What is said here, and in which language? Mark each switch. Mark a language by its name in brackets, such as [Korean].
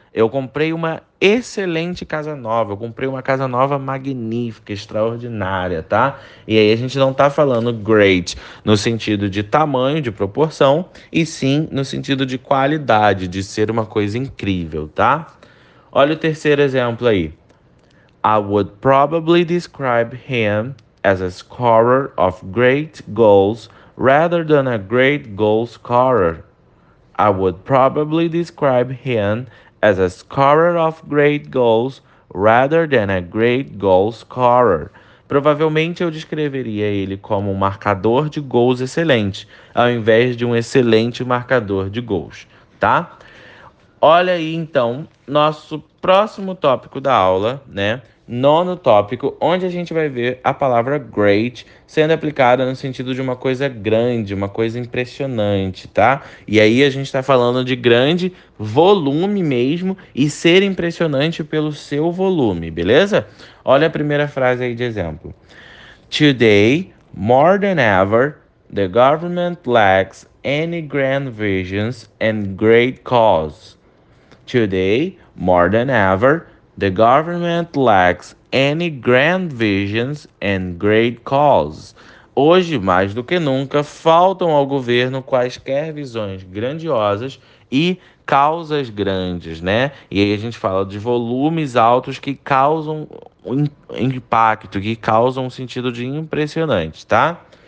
[Portuguese] Eu comprei uma excelente casa nova. Eu comprei uma casa nova magnífica, extraordinária, tá? E aí a gente não tá falando great no sentido de tamanho, de proporção, e sim no sentido de qualidade, de ser uma coisa incrível, tá? Olha o terceiro exemplo aí. [English] I would probably describe him as a scorer of great goals rather than a great goal scorer. I would probably describe him as a scorer of great goals rather than a great goal scorer. [Portuguese] Provavelmente eu descreveria ele como um marcador de gols excelente, ao invés de um excelente marcador de gols, tá? Olha aí então, nosso próximo tópico da aula, né? Nono tópico, onde a gente vai ver a palavra great sendo aplicada no sentido de uma coisa grande, uma coisa impressionante, tá? E aí a gente está falando de grande volume mesmo e ser impressionante pelo seu volume, beleza? Olha a primeira frase aí de exemplo. [English] Today, more than ever, the government lacks any grand visions and great cause. Today, more than ever, the government lacks any grand visions and great cause. [Portuguese] Hoje, mais do que nunca, faltam ao governo quaisquer visões grandiosas e causas grandes, né? E aí a gente fala de volumes altos que causam um impacto, que causam um sentido de impressionante, tá?